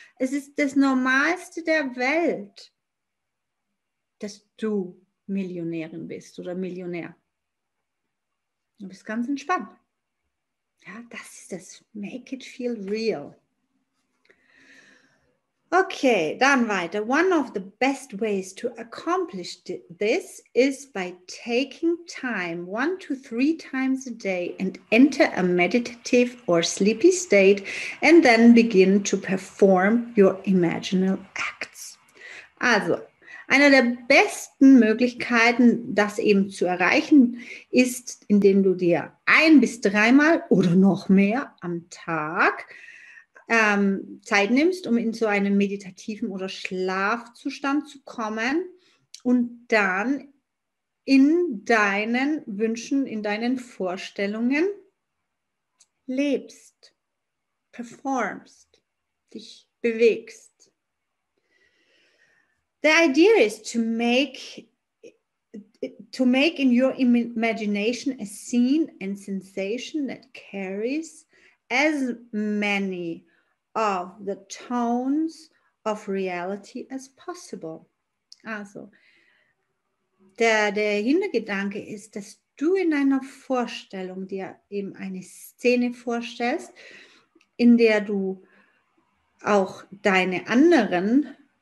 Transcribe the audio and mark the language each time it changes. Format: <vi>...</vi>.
<de>Es ist das Normalste der Welt, dass du Millionärin bist oder Millionär. Du bist ganz entspannt. Ja, das ist das</de> <en>Make it feel real.</en> <de>Okay, dann weiter.</de> <en>One of the best ways to accomplish this is by taking time 1 to 3 times a day and enter a meditative or sleepy state and then begin to perform your imaginal acts. Also,</en> <de>Eine der besten Möglichkeiten, das eben zu erreichen, ist, indem du dir ein- bis dreimal oder noch mehr am Tag Zeit nimmst, um in so einen meditativen oder Schlafzustand zu kommen und dann in deinen Wünschen, in deinen Vorstellungen lebst, performst, dich bewegst.</de> <en>The idea is to make in your imagination a scene and sensation that carries as many of the tones of reality as possible.</en> <de>Also, der Hintergedanke ist, dass du in einer Vorstellung dir eben eine Szene vorstellst, in der du auch deine anderen</de>